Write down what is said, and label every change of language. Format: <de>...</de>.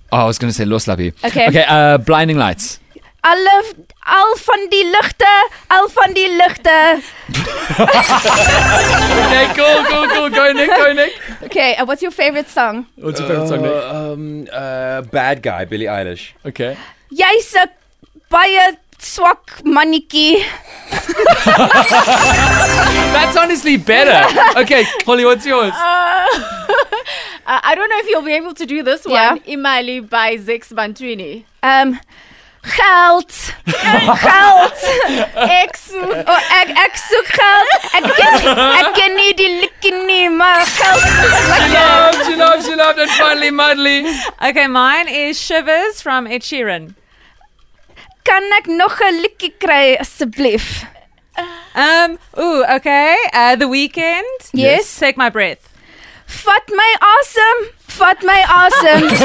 <en>Oh, I was going to say Los Labi. Okay. Okay, Blinding Lights. I love Al van die Lichte, Al van die Lichte. Okay, cool, cool, cool. Go, Nick, go, Nick. Okay, what's your favorite song? What's your favorite song, Nick? Bad Guy, Billie Eilish. Okay.</en> <af>Jy is 'n baie swak mannetjie.</af> <en>That's honestly better. Okay, Holly, what's yours? I don't know if you'll be able to do this one. Imali by Zix Bantwini.</en> <af>Geld. Geld. Ek soek. Oh, ek soek geld. Ek ken nie die likkie nie, maar geld.</af> <en>She loved. And finally, Madly. Okay, mine is Shivers from Ed Sheeran.</en> <af>Kan ek nog 'n likkie kry, asseblief?</af> <en>The Weeknd. Yes. Take My Breath. Fat my awesome. Fat my awesome.</en>